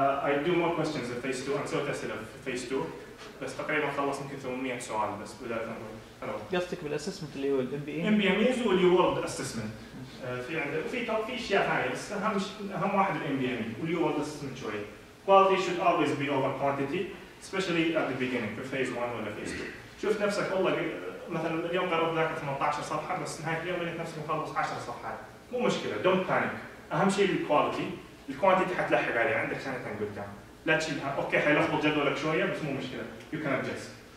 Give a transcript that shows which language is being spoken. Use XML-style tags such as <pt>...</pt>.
<en>I do more questions in phase 2.</en> <ar>أنا سويت أسئلة في phase 2 بس تقريبا خلص يمكن 800 سؤال بس بدل 800. قصدك بالاسسمنت اللي هو الام بي اي؟ ام بي ام ايز واليو وورلد اسسمنت. في عندك وفي اشياء ثانيه بس اهم واحد الام بي ام اي واليو وورلد اسسمنت شوي.</ar> <en>Quality should always be over quantity, especially at the beginning</en> <ar>في phase 1 ولا phase 2. شوف نفسك والله مثلا اليوم قررت ذاكر 18 صفحه بس نهايه اليوم لقيت نفسك مخلص 10 صفحات. مو مشكله</ar> <en>don't panic.</en> <ar>اهم شيء الكواليتي. الكوانتيتي حتلحق عليه عندك سنتين قدام، لا تشيلها، اوكي حيلخبط جدولك شويه بس مو مشكله، يو كان ادجست.</ar>